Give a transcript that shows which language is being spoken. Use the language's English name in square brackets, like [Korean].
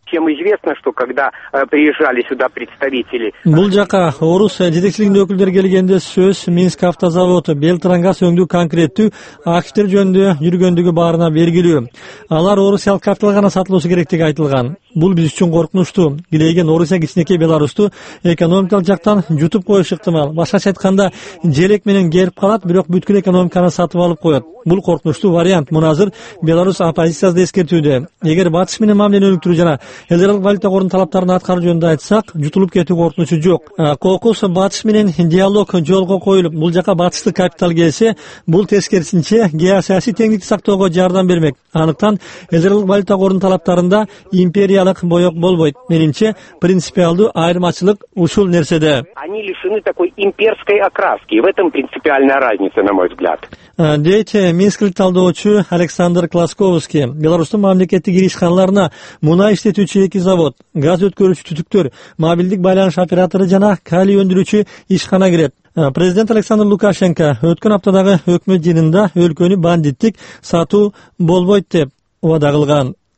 [Russian] Чем известно, что когда приезжали сюда представители. [Kyrgyz] Бул жака орус жетекчилигинин өкүлдөрү келгенде сөз Минск автозаводу Белтрангаз өңдүү конкреттүү активдер жөнүндө жүргөндүгү баарына белгилүү. Алар орусиялык капиталга гана сатылуусу керектиги айтылган. Бул биз үчүн коркунучтуу. Килейген Орусия кичинекей Беларусту экономикалык жактан жутуп коюшу ыктымал. Башкача айтканда, желек менен керип калат, бирок бүткүл экономиканы сатып алып коет. Бул коркунучтуу вариант. Муну азыр Беларус оппозициясы да эскертүүдө. Эгер батыш менен мамилени өнүктүрүү жана эл аралык валюта корунун талаптарын аткаруу жөнүндө айтсак, жутулуп кетүү коркунучу жок. Кокус батыш менен диалог жолго коюлуп, бул жака батыштык капитал келсе, бул тескерисинче геосаясий теңдикти сактоого жардам бермек. Андыктан эл аралык валюта корунун талаптарында империялык боек болбойт. Менимче, принципиалдуу айырмачылык ушул нерседе. [Russian] Они лишены такой имперской окраски. В этом принципиальная разница, на мой взгляд. [Kyrgyz] Дейте, Минскілік талдоочу Александр Класковский. Беларусьтун мамлекеттик ишканаларына мунай иштетүүчү эки завод, газ өткөрүүчү түтүктөр, мобилдик байланыш оператору жана калий өндүрүүчү ишкана кирет. Президент Александр Лукашенко өткөн аптадагы өкмөт жыйынында өлкөнү бандиттик сатуу болбойт деп убада кылган.